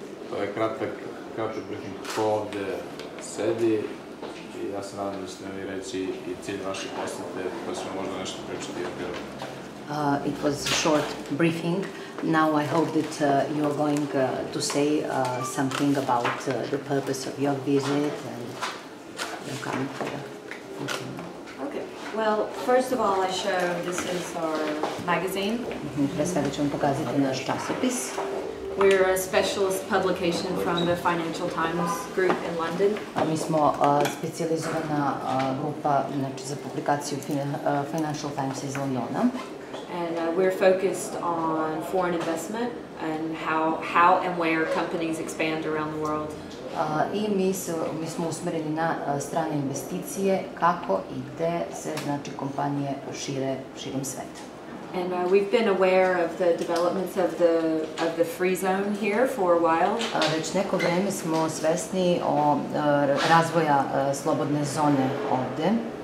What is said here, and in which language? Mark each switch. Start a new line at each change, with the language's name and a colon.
Serbian: To je kratak kažu briefing ko ovde sedi i ja se nadam da ste mi reći i cilj vaše posete, pa ćemo možda nešto pričati o Pirotu.
English: It was a short briefing. Now I hope that you are going to say something about the purpose of your visit and your coming here. Well, first of all, I show this is our magazine.
Serbian: Pre svega ću vam pokazati naš časopis.
English: We're a specialist publication from the Financial Times group in London.
Serbian: Mi smo specijalizovana grupa, znači za publikaciju Financial Times iz Londona.
English: And we're focused on foreign investment and how and where companies expand around the world.
Serbian: I mi smo usmereni na strane investicije, kako i gde se znači kompanije šire širom sveta.
English: And we've been aware of the developments of the free zone here for a while.
Serbian: Već neko vreme smo svesni o razvoja slobodne zone ovde.